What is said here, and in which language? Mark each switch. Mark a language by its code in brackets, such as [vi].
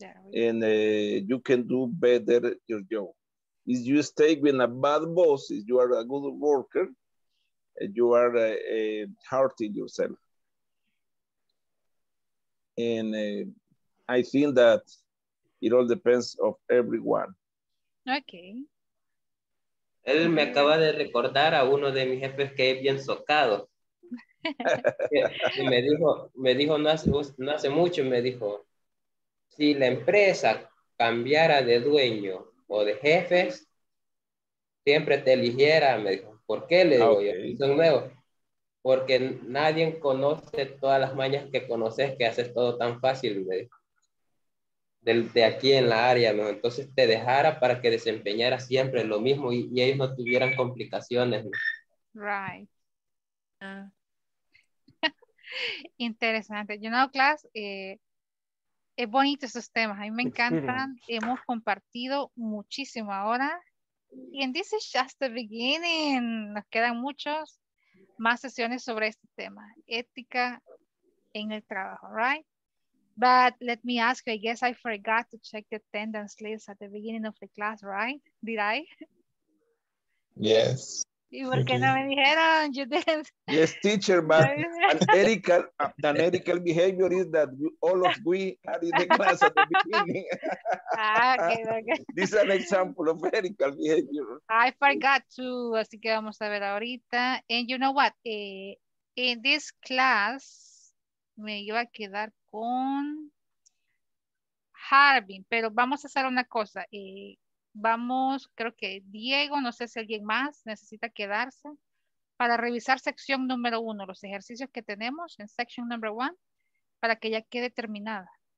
[en] You can do better your job. If you stay with a bad boss, if you are a good worker, you are hurting yourself. And I think that it all depends on everyone. Okay. [es] Él me acaba de recordar a uno de mis jefes que es bien socado. me dijo no hace mucho, me dijo, si la empresa cambiara de dueño o de jefes, siempre te eligiera, me dijo. ¿Por qué? Le digo, okay. Yo soy nuevo. Porque nadie conoce todas las mañas que conoces, que haces todo tan fácil, me dijo. De aquí en la área, ¿no? Entonces te dejara para que desempeñara siempre lo mismo y ellos no tuvieran complicaciones, ¿no? [en] Right. [es] Interesante. [en] You know, class, [es] es bonito esos temas. A mí me encantan. Hemos compartido muchísimo ahora. [en] And this is just the beginning. [es] Nos quedan muchos más sesiones sobre este tema. Ética en el trabajo, right? [en] But let me ask you, I guess I forgot to check the attendance list at the beginning of the class, right? Did I? Yes. [es] ¿Y por qué no me dijeron? [en] You didn't. Yes, teacher, but an ethical behavior is that all of we had in the class at the beginning. Okay. This is an example of ethical behavior. I forgot too, [es] así que vamos a ver ahorita. [en] And you know what? In this class, [es] me iba a quedar con Harbin, pero vamos a hacer una cosa. Vamos, creo que Diego, no sé si alguien más necesita quedarse para revisar sección número uno, los ejercicios que tenemos en [en] section number one, [es] para que ya quede terminada.